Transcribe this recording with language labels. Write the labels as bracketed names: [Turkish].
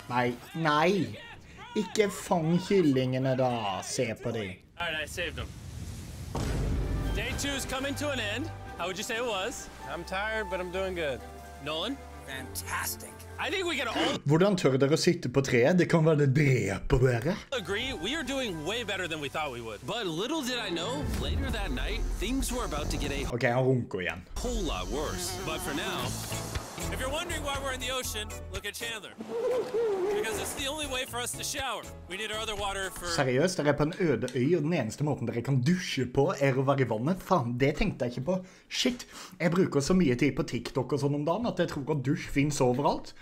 [Norwegian] Nei, nei. Ikke fang kyllingene da, se på de. [English] All right, I saved them. Day 2 is coming to an end. How would you say it was? I'm tired, but I'm doing good. Nolan? Fantastic. I think we can all... [Norwegian] Hvordan tør dere å sitte på treet? Det kan være det dreper dere. [English] Agree, we are doing way better than we thought we would. But little did I know, later that night, things were about to get a... [Norwegian] Ok, han runker igjen. [English] ...whole lot worse. But for now... If you're wondering why we're in the ocean, look at Chandler. Because it's the only way for us to shower. We need our other water for... [Norwegian] Seriøst, dere er på en øde øy, og den eneste måten dere kan dusje på er å være i vannet? Faen, det tenkte jeg ikke på. Shit, jeg bruker så mye tid på TikTok og sånn om dagen at jeg tror at dusj finnes overalt.